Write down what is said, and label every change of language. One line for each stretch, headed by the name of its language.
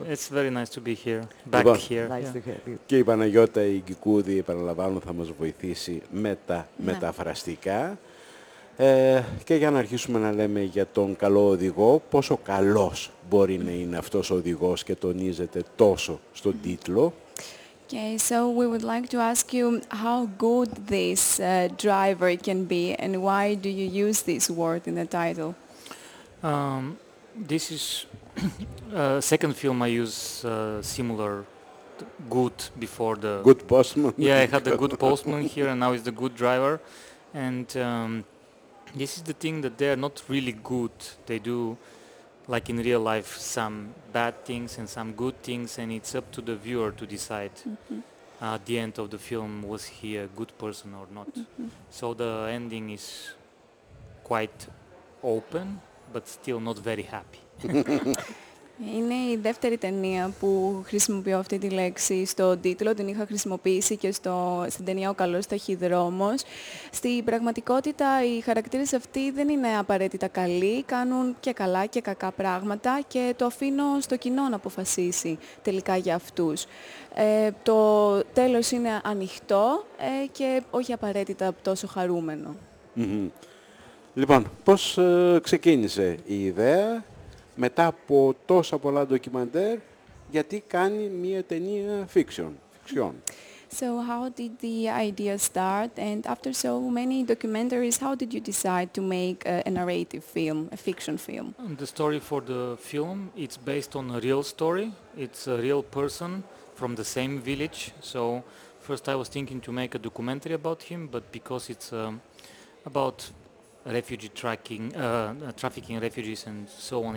English: It's very nice to be here, back here. Nice yeah. to have you.
Greek: Και η Παναγιώτα η Γκικούδη, επαναλαμβάνω, θα μας βοηθήσει με τα μεταφραστικά. Και για να αρχίσουμε να λέμε για τον καλό οδηγό, πόσο καλός μπορεί να είναι αυτός ο οδηγός και τονίζεται τόσο στον τίτλο.
English: Okay, so we would like to ask you how good this driver can be and why do you use this word in the title? This is second film I use similar good before the... Good postman. Yeah, I had the good postman here and now it's the good driver. And this is the thing that they are not really good. They do, like in real life, some bad things and some good things, and it's up to the viewer to decide at the end of the film, was he a good person or not. So the ending is quite open, but still not very happy.
Greek: Είναι η δεύτερη ταινία που χρησιμοποιώ αυτή τη λέξη στο τίτλο. Την είχα χρησιμοποιήσει και στην ταινία «Ο καλός ταχυδρόμος». Στην πραγματικότητα, οι χαρακτήρες αυτοί δεν είναι απαραίτητα καλοί. Κάνουν και καλά και κακά πράγματα και το αφήνω στο κοινό να αποφασίσει τελικά για αυτούς. Το τέλος είναι ανοιχτό και όχι απαραίτητα τόσο χαρούμενο. Λοιπόν, πώς ξεκίνησε η ιδέα μετά από τόσα πολλά ντοκιμαντέρ, γιατί κάνει μία ταινία fiction.
English: So how did the idea start? And after so many documentaries, how did you decide to make a narrative film, a fiction film? The story for the film, it's based on a real story. It's a real person from the same village. So first I was thinking to make a documentary about him, but because it's about refugee trafficking refugees and so on.